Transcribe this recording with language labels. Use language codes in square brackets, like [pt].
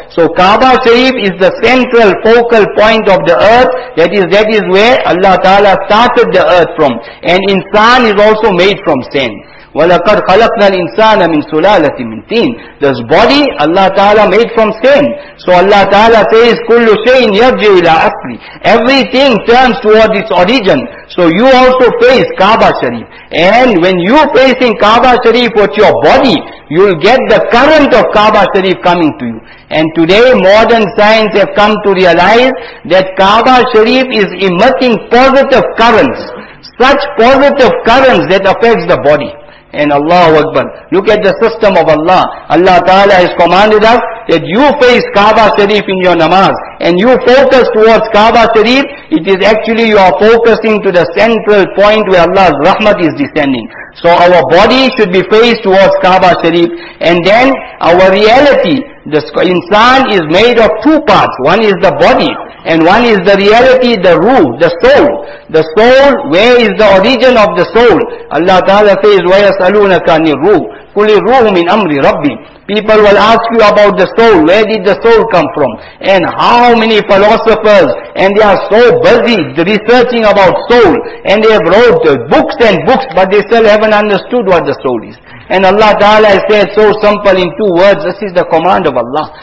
[en] So Kaaba Sharif is the central focal point of the earth, that is where Allah Ta'ala started the earth from. And insan is also made from sand. [ar] وَلَقَدْ خَلَقْنَا الْإِنسَانَ مِنْ سُلَالَةٍ مِنْ تِينَ. [en] This body, Allah Ta'ala made from sand. So Allah Ta'ala says, [ar] كُلُّ شَيْءٍ يَرْجِعُ إِلَىٰ أَصْلِ. [en] Everything turns towards its origin. So you also face Kaaba Sharif. And when you facing Kaaba Sharif with your body, you'll get the current of Kaaba Sharif coming to you. And today, modern science have come to realize that Kaaba Sharif is emitting positive currents. Such positive currents that affects the body. And Allahu Akbar. Look at the system of Allah. Allah Ta'ala has commanded us that you face Kaaba Sharif in your namaz. And you focus towards Kaaba Sharif. It is actually you are focusing to the central point where Allah's rahmat is descending. So our body should be faced towards Kaaba Sharif. And then our reality. The insan is made of two parts. One is the body. And one is the reality, the ruh, the soul. The soul, where is the origin of the soul? Allah Ta'ala says, [ar] وَيَسْأَلُونَكَ عَنِ الرُّوحِ قُلِ الرُّوحُ مِنْ أَمْرِ رَبِّي. [en] People will ask you about the soul. Where did the soul come from? And how many philosophers, and they are so busy researching about soul, and they have wrote books and books, but they still haven't understood what the soul is. And Allah Ta'ala has said so simple in two words, this is the command of Allah.